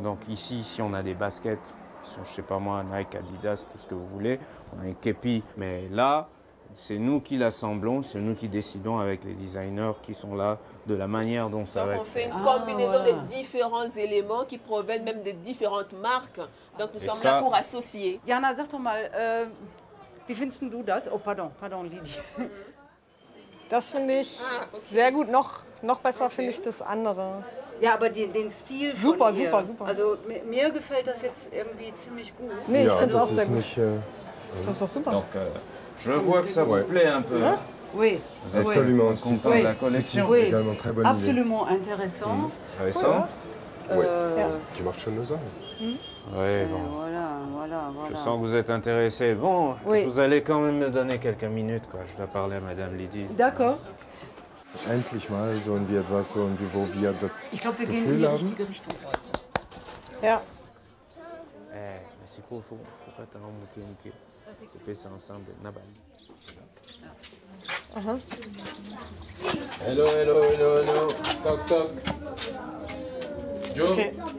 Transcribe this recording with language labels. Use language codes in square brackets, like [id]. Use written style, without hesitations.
[fr] Donc ici, si on a des baskets, qui sont, je ne sais pas moi, Nike, Adidas, tout ce que vous voulez, on a une képi. Mais là, c'est nous qui l'assemblons, c'est nous qui décidons avec les designers qui sont là de la manière dont ça donc va on être. On fait une combinaison de différents éléments qui proviennent même des différentes marques. Donc nous sommes là pour associer. [de] Yana Zertomal, wie findest du das? [fr] Oh, pardon, pardon, Lydie. [de] Das finde ich sehr gut. Noch besser finde ich das andere. Ja, aber den Stil super, von ihr. Super, super. Also mir gefällt das jetzt irgendwie ziemlich gut. Nee, ja, ich finde es auch sehr gut. Nicht, das ist doch super. [fr] Donc, je vois que ça vous plaît un peu. Oui. Absolument. Si, si. La collection. Oui. Également très bonne absolument idée. Intéressant. Intéressant. Oui. Tu marches sur nos armes. Oui, bon. Voilà. Je sens que vous êtes intéressé. Bon, vous allez quand même me donner quelques minutes, quoi. Je dois parler à Madame Lydie. D'accord. [de] Endlich mal so ein Bier, was so ein Bier, wo wir das Gefühl haben. Ja. [fr] Mais c'est quoi, pourquoi t'as remonté une queue? Couper ça ensemble, Nabal. [en] Hello, hello, hello, hello. Toc, toc. Joe. Okay.